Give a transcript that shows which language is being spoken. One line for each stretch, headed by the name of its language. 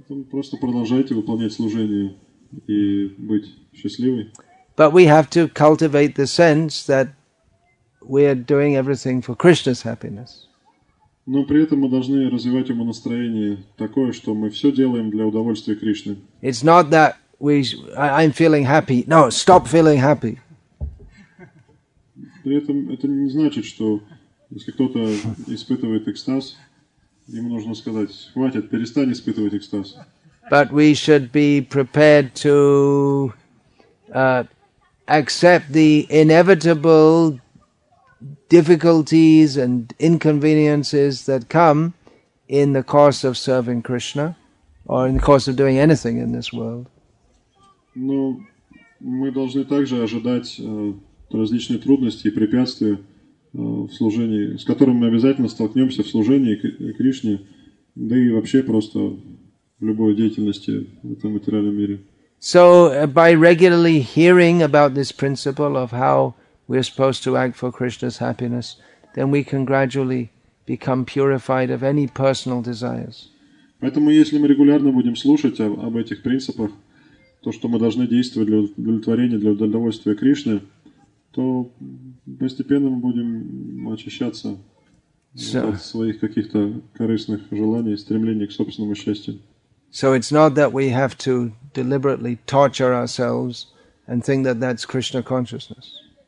Russian: Просто продолжайте выполнять служение и быть счастливой.
English: But we have to cultivate the sense that we are doing everything for Krishna's happiness.
Russian: Но при этом мы должны развивать ему настроение такое, что мы все делаем для удовольствия Кришны.
English: It's not that I'm feeling happy. No, stop feeling happy.
Russian: При этом это не значит, что если кто-то испытывает экстаз, ему нужно сказать: хватит, перестань испытывать экстаз.
English: But we should be prepared to accept the inevitable difficulties and inconveniences that come in the course of serving Krishna or in the course of doing anything in this world.
Russian: Ну, мы должны также ожидать различные трудности и препятствия в служении, с которыми мы обязательно столкнемся в служении Кришне, да и вообще просто в любой деятельности в этом материальном мире.
English: So, by regularly hearing about this principle of how we are supposed to act for Krishna's happiness, then we can gradually become purified of any personal desires.
Russian: Поэтому, если мы регулярно будем слушать об этих принципах, то, что мы должны действовать для удовлетворения, для удовольствия Кришны, то постепенно мы будем очищаться от своих каких-то корыстных желаний, стремлений к собственному счастью.
English: So it's not that we have to deliberately torture ourselves and think that that's Krishna consciousness.